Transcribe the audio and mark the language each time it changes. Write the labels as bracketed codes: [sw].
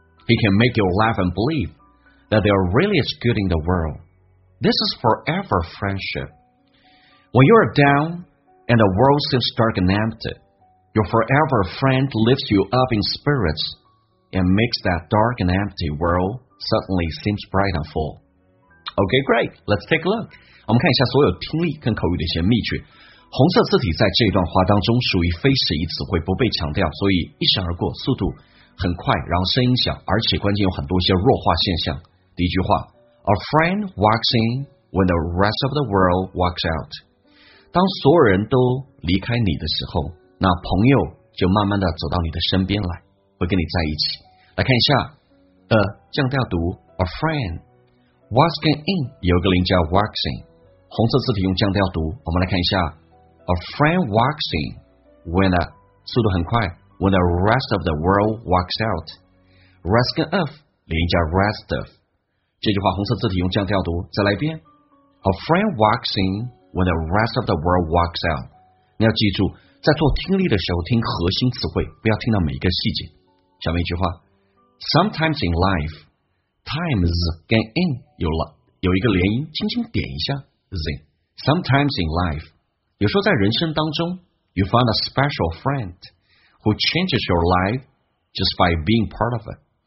[en] He can make you laugh and believe that there really is good in the worldThis is forever friendship. When you are down and the world seems dark and empty, your forever friend lifts you up in spirits and makes that dark and empty world suddenly seems bright and full. Okay, great. Let's take a look. [zh] 我们看一下所有听力跟口语的一些秘诀。红色字体在这段话当中属于非实义词汇，不被强调，所以一闪而过，速度很快，然后声音小，而且关键有很多一些弱化现象。第一句话， [en] A friend walks in when the rest of the world walks out. [zh] 当所有人都离开你的时候，那朋友就慢慢的走到你的身边来，会跟你在一起。来看一下，降调读 ， [en] A friend walking in [zh] 有个零叫 walks in， 红色字体用降调读。我们来看一下 [en] ，A friend walks in when the [zh] 速度很快 [en] ，when the rest of the world walks out. Resting of [zh] 零叫 [en] rest of。 [zh] 这句话红色字体用降调读，再来一遍。 [en] A friend walks in when the rest of the world walks out. [zh] 你要记住，在做听力的时候听核心词汇，不要听到每一个细节。下面一句话 ， [en] Sometimes in life, [zh] times 跟 in 有一个连音，轻轻点一下 in。 [en] Sometimes in life， [zh] 有时候在人生当中 [en] ，you find a special friend who changes your life just by being part of it。